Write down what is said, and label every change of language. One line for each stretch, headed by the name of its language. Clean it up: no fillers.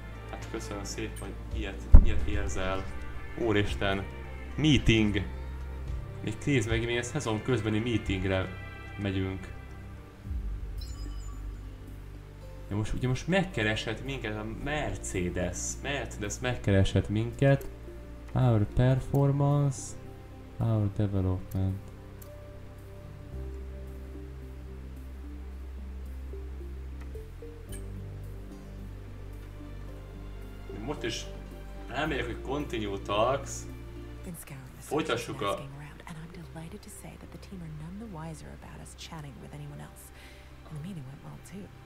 Hungarian: Hát köszönöm szépen, hogy ilyet érzel. Úristen, meeting. Még nézd meg, milyen szezon közbeni meetingre megyünk. De most ugye most megkeresett minket a Mercedes. Mercedes megkeresett minket.
English: Our performance, our development.
Hungarian: Most is elmegyek, hogy
English: continue talks.
Hungarian: Folytassuk a...
English: Delighted to say that the team are none the wiser about us chatting with anyone else. And the meeting went well too.